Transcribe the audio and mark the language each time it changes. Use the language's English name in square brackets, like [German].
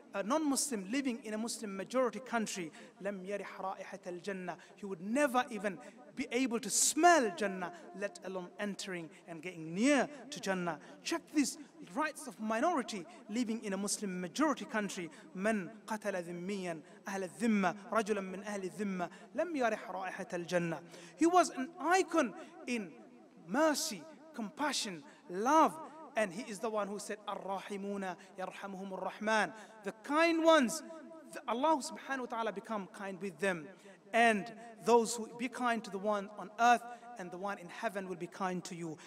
[English] a non-Muslim living in a Muslim majority country, [Arabic] لم يرح رائحة الجنة. [English] He would never even be able to smell Jannah, let alone entering and getting near to Jannah. Check this, rights of minority living in a Muslim majority country. [Arabic] من قتل ذميا أهل الذمة رجلا من أهل الذمة لم يرح رائحة الجنة. [English] He was an icon in mercy, compassion, love. And he is the one who said, [Arabic] Ar-Rahimuna Yarhamuhum Ar-Rahman. [English] The kind ones, Allah subhanahu wa ta'ala become kind with them. And those who be kind to the one on earth and the one in heaven will be kind to you.